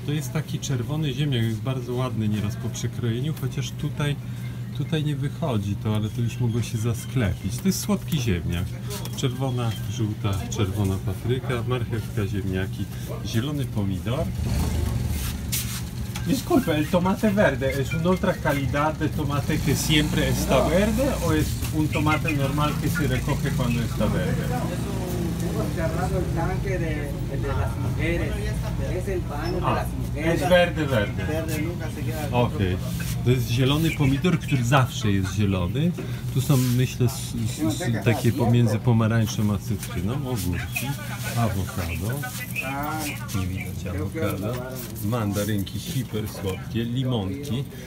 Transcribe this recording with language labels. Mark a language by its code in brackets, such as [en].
[pl] To jest taki czerwony ziemniak, jest bardzo ładny nieraz po przekrojeniu, chociaż tutaj nie wychodzi to, ale to już mogło się zasklepić. To jest słodki ziemniak. Czerwona, żółta, czerwona papryka, marchewka, ziemniaki, zielony pomidor. [es] Disculpe, el tomate verde es una otra calidad de tomate que siempre está verde o es un tomate normal que se recoge cuando está verde? Cerrado el tanque de las mujeres, es el baño de las mujeres. Es verde, verde. Verde nunca se queda dentro. [pl] Okej. To jest zielony pomidor, który zawsze jest zielony. Tu są, myślę, takie pomiędzy pomarańczem a cytryną, ogórki, awokado. Nie widać awokado. Mandarynki hiper słodkie, limonki.